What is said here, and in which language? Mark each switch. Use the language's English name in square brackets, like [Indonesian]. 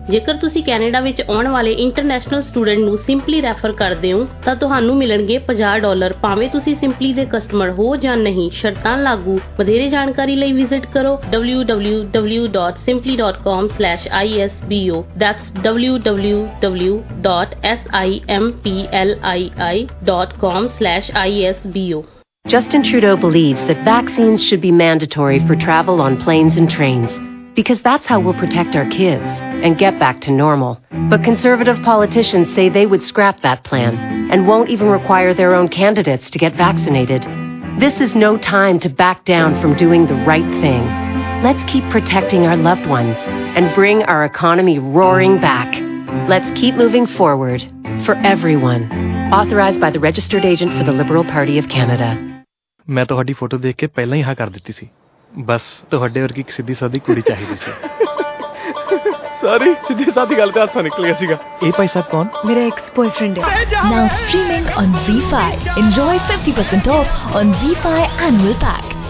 [Punjabi] ਜੇਕਰ ਤੁਸੀਂ ਕੈਨੇਡਾ ਵਿੱਚ ਆਉਣ ਵਾਲੇ ਇੰਟਰਨੈਸ਼ਨਲ ਸਟੂਡੈਂਟ ਨੂੰ ਸਿੰਪਲੀ ਰੈਫਰ ਕਰਦੇ ਹੋ ਤਾਂ ਤੁਹਾਨੂੰ ਮਿਲਣਗੇ $50 ਭਾਵੇਂ ਤੁਸੀਂ ਸਿੰਪਲੀ ਦੇ ਕਸਟਮਰ ਹੋ ਜਾਂ ਨਹੀਂ, ਸ਼ਰਤਾਂ ਲਾਗੂ। ਵਧੇਰੇ ਜਾਣਕਾਰੀ ਲਈ ਵਿਜ਼ਿਟ ਕਰੋ www.simply.com/isbo, that's www.simply.com/isbo. [English] Justin Trudeau believes that vaccines should be mandatory for travel on planes and trains, because that's how we'll protect our kids and get back to normal. But conservative politicians say they would scrap that plan and won't even require their own candidates to get vaccinated. This is no time to back down from doing the right thing. Let's keep protecting our loved ones and bring our economy roaring back. Let's keep moving forward for everyone. Authorized by the Registered Agent for the Liberal Party of Canada. [Punjabi] ਮੈਂ ਤੁਹਾਡੀ photo ਦੇਖ ਕੇ ਪਹਿਲਾਂ ਹੀ ਹਾਂ ਕਰ ਦਿੱਤੀ ਸੀ। ਬਸ ਤੁਹਾਡੇ ਵਰਗੀ ਇੱਕ ਸਿੱਧੀ ਸਾਧੀ ਕੁੜੀ ਚਾਹੀਦੀ ਸੀ। ਸਾਰੀ ਸਿੱਧੀ ਸਾਧੀ ਗੱਲ ਤੇ ਹਾਸਾ ਨਿਕਲਿਆ ਸੀਗਾ। ਇਹ ਭਾਈ ਸਾਹਿਬ ਕੌਣ? ਮੇਰਾ ਐਕਸ ਬੋਏਫ੍ਰੈਂਡ ਹੈ। [English] Now streaming on Z5। Enjoy 50% off on Z5 annual pack.